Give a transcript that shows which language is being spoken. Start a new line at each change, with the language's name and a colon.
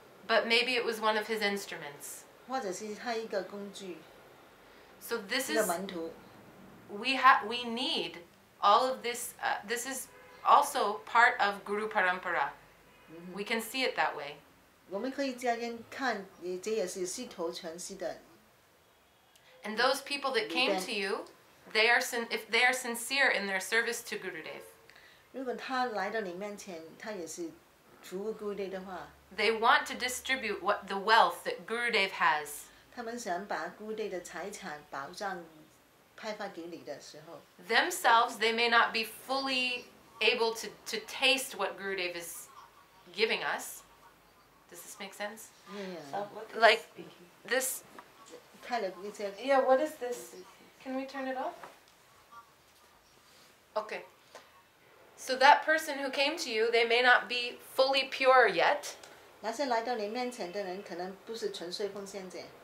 English: But maybe it was one of his instruments.
Chinese: 或者是他一个工具。
English: So this is, we need all of this, this is also part of Guru Parampara. We can see it that way.
Chinese: 我们可以这样看，这也是系统传系的。
English: And those people that came to you, they are if they are sincere in their service to Gurudev.
Chinese: 如果他来到你面前，他也是服务 Gurudev 的话。
English: They want to distribute what the wealth that Gurudev has.
Chinese: 他们想把 Gurudev 的财产保障派发给你的时候
English: ，themselves they may not be fully able to taste what Gurudev is giving us. Does this make sense? Yeah. Like this. Kind of, it's a, yeah. What is this? Can we turn it off? Okay. So that person who came to you, they may not be fully pure yet.
Chinese: 那些来到你面前的人可能不是纯粹奉献者。